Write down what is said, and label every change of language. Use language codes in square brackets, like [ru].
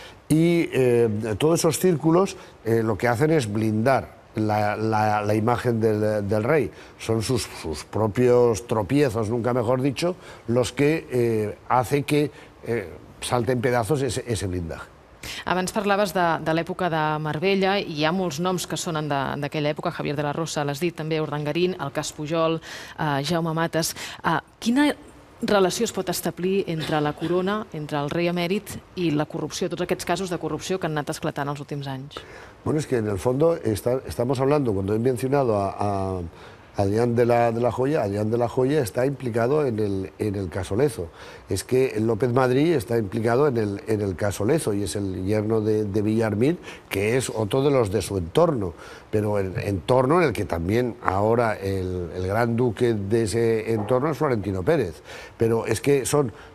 [es] Y todos esos círculos lo que hacen es blindar La imagen del rey. Son sus propios tropiezos, nunca mejor dicho, los que hace que salten pedazos ese blindaje. [ca] Abans parlaves de l'època de Marbella i hi ha molts noms que sonen d'aquella època. Javier de la Rosa l'has dit, també Urdangarín, el cas Pujol, Jaume Matas. Quina relació es pot establir entre la corona, entre el rei emèrit i la corrupció, tots aquests casos de corrupció que han anat esclatant els últims anys? [es] Bueno, es que en el fondo estamos hablando, cuando he mencionado a Adrián de la Joya, Adrián de la Joya está implicado en el caso Lezo. Es que López Madrid está implicado en el caso Lezo y es el yerno de Villarmir, que es otro de los de su entorno, pero el entorno en el que también ahora el gran duque de ese entorno es Florentino Pérez. Pero es que son